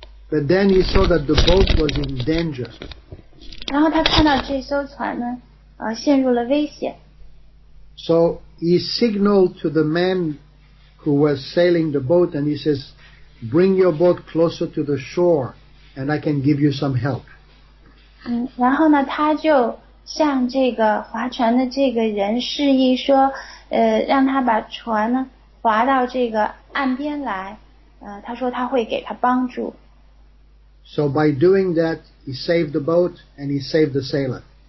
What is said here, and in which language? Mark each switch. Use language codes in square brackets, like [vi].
[en] But then he saw that the boat was in danger. [zh] 然后他看到这艘船呢。陷入了危险。 [en] So he signaled to the man who was sailing the boat and he says, bring your boat closer to the shore and I can give you some help. [zh] 然后呢他就向这个划船的这个人示意说让他把船呢划到这个岸边来他说他会给他帮助。 [en] So by doing that, he saved the boat and he saved the sailor.